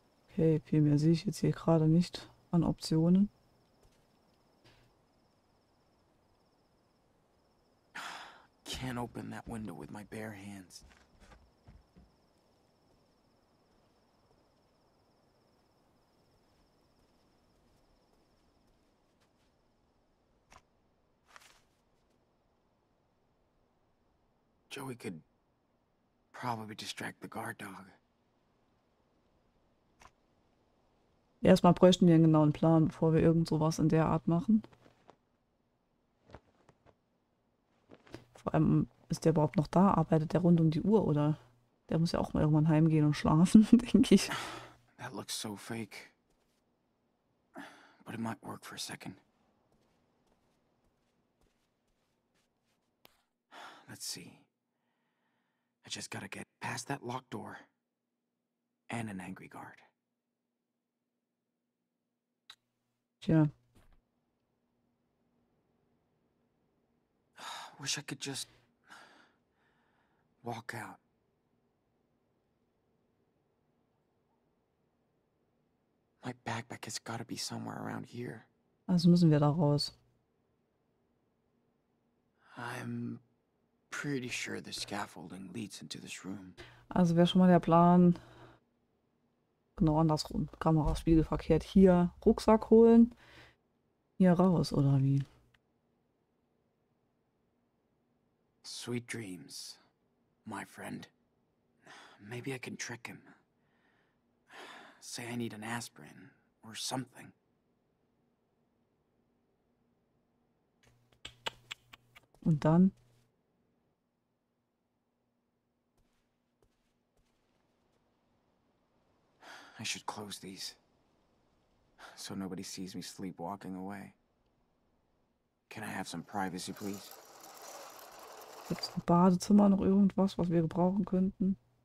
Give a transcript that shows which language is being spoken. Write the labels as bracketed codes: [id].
[de] Okay, viel mehr sehe ich jetzt hier gerade nicht an Optionen. [en] Can't open that window with my bare hands. Joey could probably distract the guard dog. [de] Erstmal bräuchten wir einen genauen Plan, bevor wir irgend sowas in der Art machen. Vor allem ist der überhaupt noch da, arbeitet der rund um die Uhr, oder? Der muss ja auch mal irgendwann heimgehen und schlafen, denke ich. [en] That looks so fake. But it might work for a second. Let's see. I just gotta get past that locked door and an angry guard. Tja. Wish I could just walk out. My backpack has gotta be somewhere around here. [de] Also müssen wir da raus. [en] I'm pretty sure the scaffolding leads into this room. [de] Also wäre schon mal der Plan. Genau andersrum. Kamera spiegelverkehrt. Hier Rucksack holen. Hier raus, oder wie? [en] Sweet dreams, my friend. Maybe I can trick him. Say I need an aspirin or something. [de] Und dann? [en] I should close these, so nobody sees me sleepwalking away. Can I have some privacy, please? [de] Gibt's im Badezimmer noch irgendwas, was wir gebrauchen könnten?